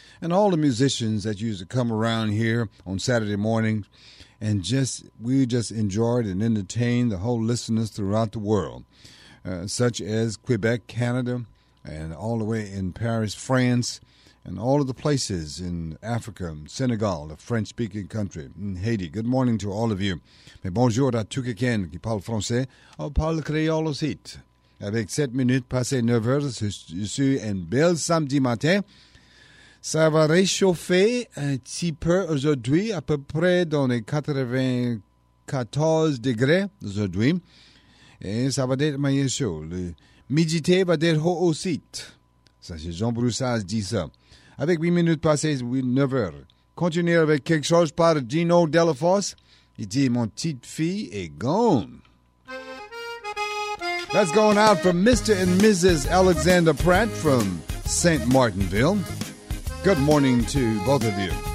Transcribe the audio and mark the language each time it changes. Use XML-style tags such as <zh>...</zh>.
<en>And all the musicians that used to come around here on Saturday mornings, and just we just enjoyed and entertained the whole listeners throughout the world, such as Quebec, Canada, and all the way in Paris, France, and all of the places in Africa, Senegal, the French-speaking country, in Haiti. Good morning to all of you.</en> <fr>Mais bonjour à tous ceux qui parlent français, ou parlent créole aussi. Avec 7 minutes passées 9 heures, je suis un bel samedi matin. Ça va réchauffer un petit peu aujourd'hui, à peu près dans les 94 degrés aujourd'hui. Et ça va être moyen chaud. Midité va être haut aussi. Ça, c'est Jean Broussard qui dit ça. Avec 8 minutes passées, 9 heures. Continuer avec quelque chose par Gino Delafosse. Il dit, mon petite fille est gone.</fr> <en>That's going out from Mr. and Mrs. Alexander Pratt from St. Martinville. Good morning to both of you.</en>